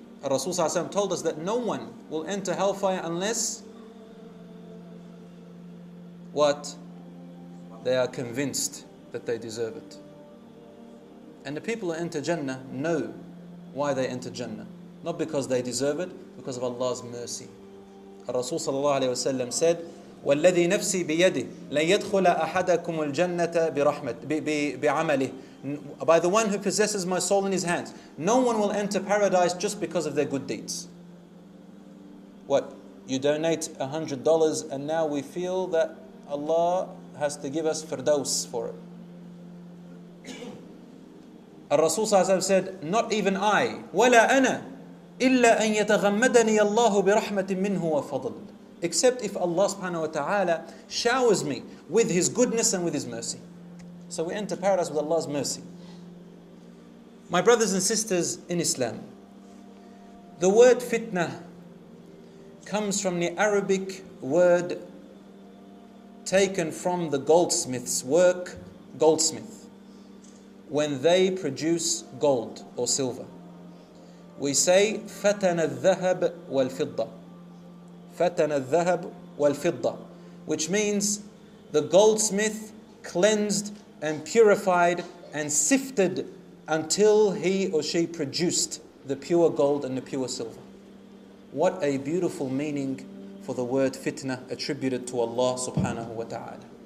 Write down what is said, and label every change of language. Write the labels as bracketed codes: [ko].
[en] Rasulullah told us that no one will enter hellfire unless what? They are convinced that they deserve it. And the people who enter Jannah know why they enter Jannah. Not because they deserve it, because of Allah's mercy. Rasulullah said, [ar] وَالَّذِي نَفْسِي بِيَدِهِ لَيَدْخُلَ أَحَدَكُمُ الْجَنَّةَ بِرَحْمَةِ بِعَمَلِهِ. [en] By the one who possesses my soul in his hands, no one will enter paradise just because of their good deeds. What? You donate $100 and now we feel that Allah has to give us firdaus for it. Rasul said, not even I, [ar] وَلَا أَنَا إِلَّا أَن يَتَغَمَّدَنِيَ اللَّهُ بِرَحْمَةٍ مِّنْهُ وَفَضْلٍ. [en] Except if Allah subhanahu wa ta'ala showers me with His goodness and with His mercy. So we enter paradise with Allah's mercy. My brothers and sisters in Islam, the word fitna comes from the Arabic word taken from the goldsmith's work, goldsmith, when they produce gold or silver. We say, [ar] فَتَنَ الذَّهَبَ وَالْفِضَّةَ. فَتَنَ الذَّهَبُ وَالْفِضَّةُ, [en] which means the goldsmith cleansed and purified and sifted until he or she produced the pure gold and the pure silver. What a beautiful meaning for the word fitna attributed to Allah subhanahu wa ta'ala.